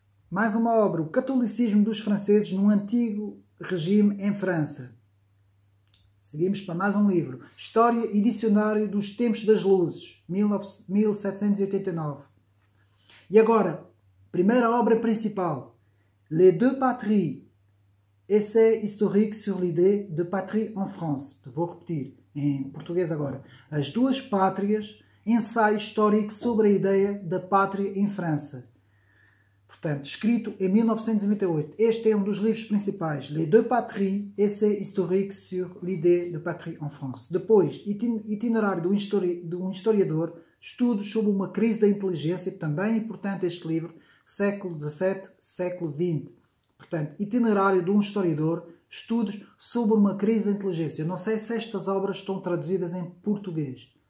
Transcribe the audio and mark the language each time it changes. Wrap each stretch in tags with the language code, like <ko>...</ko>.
<pt>Mais uma obra, O Catolicismo dos Franceses no Antigo Regime em França. Seguimos para mais um livro. História e Dicionário dos Tempos das Luzes, 1789. E agora, primeira obra principal.</pt> <fr>Les deux patries. Essai historique sur l'idée de patrie en France.</fr> <pt>Vou repetir em português agora. As duas pátrias, ensaio histórico sobre a ideia da pátria em França. Portanto, escrito em 1998. Este é um dos livros principais.</pt> <fr>Les deux patries, essai historique sur l'idée de patrie en France.</fr> <pt>Depois, itinerário de um historiador, estudos sobre uma crise da inteligência, também importante este livro, século XVII, século XX. Portanto, itinerário de um historiador, estudos sobre uma crise da inteligência. Eu não sei se estas obras estão traduzidas em português.</pt>